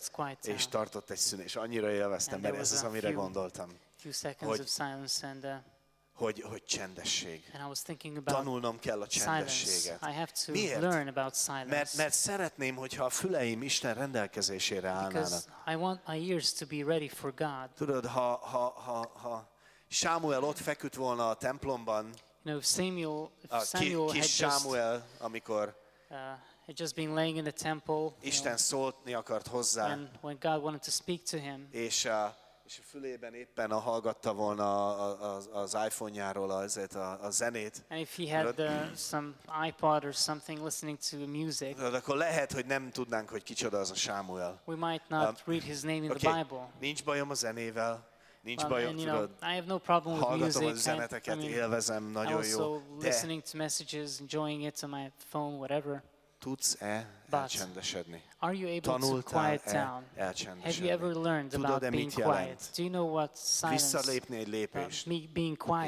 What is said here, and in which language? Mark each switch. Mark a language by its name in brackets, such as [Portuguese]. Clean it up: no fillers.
[English] Let's quiet down. [Hungarian] És tartott egy szünet, és annyira élveztem, mert ez az, amire gondoltam. [English] Few seconds of silence and [Hungarian] hogy csendesség. [English] And I was thinking about [Hungarian] tanulnom kell a csendességet. [English] I have to [Hungarian] miért? [English] Learn about silence. [Hungarian] Mert szeretném, hogyha a füleim Isten rendelkezésére állnának. [English] Because I want my ears to be ready for God. [Hungarian] Tudod, ha Sámuel ott feküdt volna a templomban. [English] You know, Samuel [Hungarian] kis Sámuel, amikor [English] had just been laying in the temple. [Hungarian] Isten szólni akart hozzá. [English] And when God wanted to speak to him. [Hungarian] És a fülében éppen a hallgatta volna az iPhone-járól azért a zenét. [English] And if he had some iPod or something listening to the music. [Hungarian] Akkor lehet, hogy nem tudnánk, hogy kicsoda az a Sámuel. [English] We might not read his name in the Bible. [Hungarian] Nincs bajom a zenével. Nincs bajom, [English] and, you know, I have no problem with [Hungarian] hallgatom [English] music. [Hungarian] A zeneteket, [English] I mean, [Hungarian] élvezem, nagyon jó. [English] Listening to messages, enjoying it on my phone, whatever. [Hungarian] Tudsz-e elcsendesedni? [English] Are you able to quiet down? Have you ever learned about being quiet? Do you know what silence? [Hungarian] Visszalépni egy [English] being quiet